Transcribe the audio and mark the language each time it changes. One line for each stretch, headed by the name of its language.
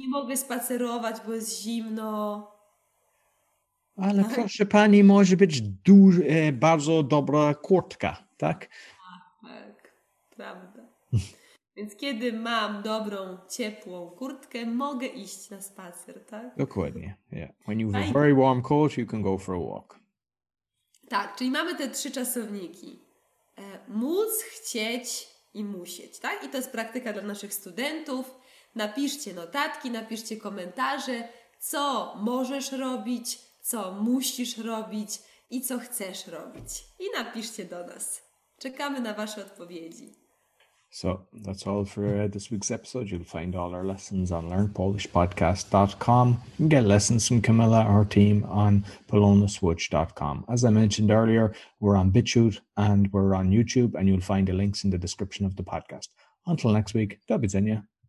Polish: Nie mogę spacerować, bo jest zimno. Ale proszę pani, może być bardzo dobra kurtka, tak? Tak, prawda. Więc kiedy mam dobrą, ciepłą kurtkę, mogę iść na spacer, tak? Dokładnie, yeah.
English: When you have a very warm coat, you can go for a walk.
Polish: Tak, czyli mamy te trzy czasowniki. Móc, chcieć, i musieć, tak? I to jest praktyka dla naszych studentów. Napiszcie notatki, napiszcie komentarze, co możesz robić, co musisz robić i co chcesz robić. I napiszcie do nas. Czekamy na Wasze odpowiedzi.
English: So, that's all for this week's episode. You'll find all our lessons on learnpolishpodcast.com. You can get lessons from Camilla, our team, on polonaswitch.com. As I mentioned earlier, we're on BitChute and we're on YouTube, and you'll find the links in the description of the podcast. Until next week,
Polish: do widzenia.